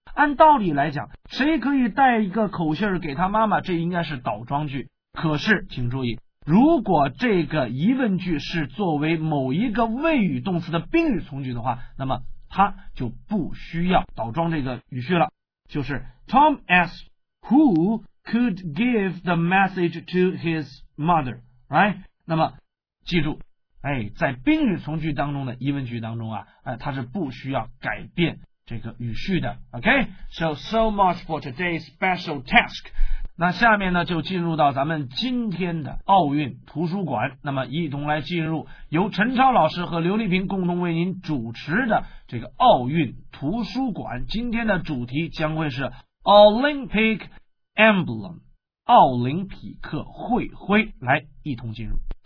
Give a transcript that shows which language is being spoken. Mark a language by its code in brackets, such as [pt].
[zh] 按道理来讲，谁可以带一个口信给他妈妈，这应该是倒装句。可是请注意，如果这个疑问句是作为某一个谓语动词的宾语从句的话，那么它就不需要倒装这个语序了。就是 [en] Tom asked who could give the message to his mother, right? [zh] 那么记住，在宾语从句当中的疑问句当中它是不需要改变这个语序的。 [en] OK, so much for today's special task. [zh] 那下面呢就进入到咱们今天的奥运图书馆，那么一同来进入由陈超老师和刘丽萍共同为您主持的这个奥运图书馆。今天的主题将会是 Olympic Emblem, 奥林匹克会徽，来一同进入。